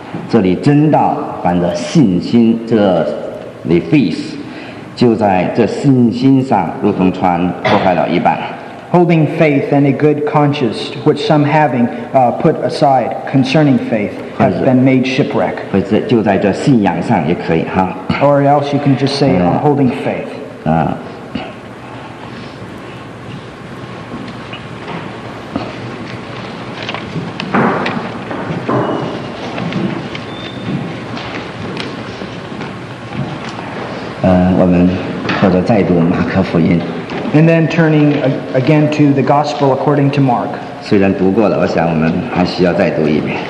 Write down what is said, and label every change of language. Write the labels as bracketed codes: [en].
[zh] 这里真道反着信心，这里 faith 就在这信心上，如同船破坏了一般。 [en] Holding faith and a good conscience, which some having put aside concerning faith, has been made shipwreck. [zh] 或者就在这信仰上也可以哈。 [en] Or else you can just say I'm holding faith. [zh] 我们或者再读马可福音。 [en] And then turning again to the Gospel according to Mark. [zh] 虽然读过了，我想我们还需要再读一遍。